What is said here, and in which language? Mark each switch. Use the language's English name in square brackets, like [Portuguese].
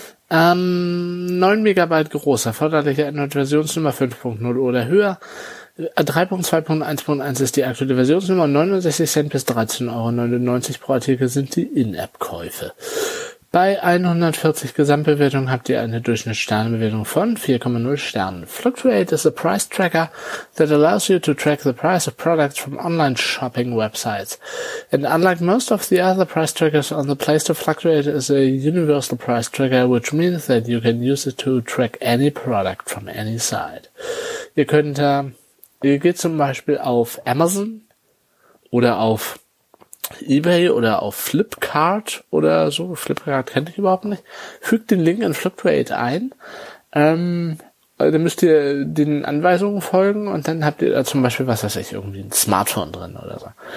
[German] 9 MB groß, erforderliche Android-Versionsnummer 5.0 oder höher. 3.2.1.1 ist die aktuelle Versionsnummer, 69 Cent bis 13,99 Euro pro Artikel sind die In-App-Käufe. Bei 140 Gesamtbewertungen habt ihr eine Durchschnittssternebewertung von 4,0 Sternen. [English] Fluctuate is a price tracker that allows you to track the price of products from online shopping websites. And unlike most of the other price trackers on the Play Store, Fluctuate is a universal price tracker, which means that you can use it to track any product from any site. [German] Ihr könnt, ihr geht zum Beispiel auf Amazon oder auf eBay oder auf Flipkart oder so. Flipkart kenne ich überhaupt nicht. Fügt den Link in Fluctuate ein. Dann müsst ihr den Anweisungen folgen und dann habt ihr da zum Beispiel, was weiß ich, irgendwie ein Smartphone drin oder so.